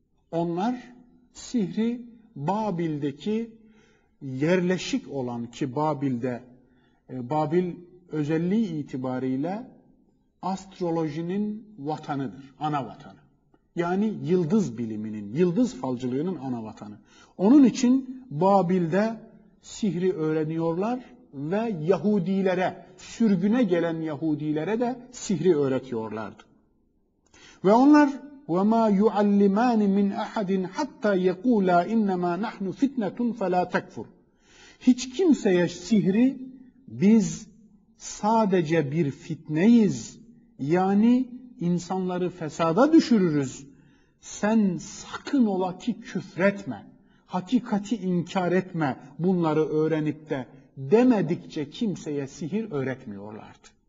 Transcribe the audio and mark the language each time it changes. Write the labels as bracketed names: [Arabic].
[Turkish] Onlar sihri Babil'deki yerleşik olan, ki Babil'de, Babil özelliği itibariyle astrolojinin vatanıdır, ana vatanı. Yani yıldız biliminin, yıldız falcılığının ana vatanı. Onun için Babil'de sihri öğreniyorlar ve Yahudilere, sürgüne gelen Yahudilere de sihri öğretiyorlardı. Ve onlar [Arabic] وَمَا يُعَلِّمَانِ مِنْ اَحَدٍ حَتَّى يَقُولَا اِنَّمَا نَحْنُ فِتْنَةٌ فَلَا تَكْفُرُ. [Turkish] Hiç kimseye sihri biz sadece bir fitneyiz, yani insanları fesada düşürürüz, sen sakın ola ki küfretme, hakikati inkar etme bunları öğrenip de demedikçe kimseye sihir öğretmiyorlardı.